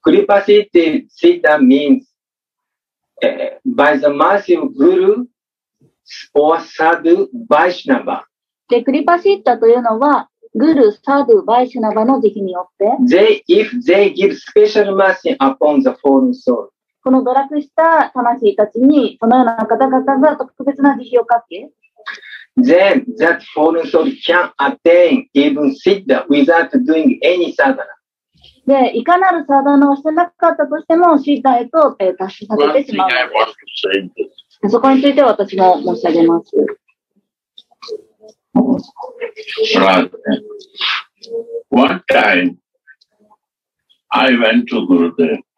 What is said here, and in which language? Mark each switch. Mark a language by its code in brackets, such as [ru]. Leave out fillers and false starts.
[en] クリパシッタ、シッタ means, by the mercy of Guru or Sadhu Vaishnava. [ja] で、クリパシッタというのは、グル、サドゥ、バイシュナバの慈悲によって、 [en] they, if they give special mercy upon the fallen soul. [ja] この堕落した魂たちに、そのような方々が特別な慈悲をかけ、 [en] then that fallen soul can attain even siddha without doing any sadhana. [ja] で、いかなるサダナをしてなかったとしても、シッダへと達成させてしまう。そこについて私も申し上げます。 [en] One time, I went to Gurudev.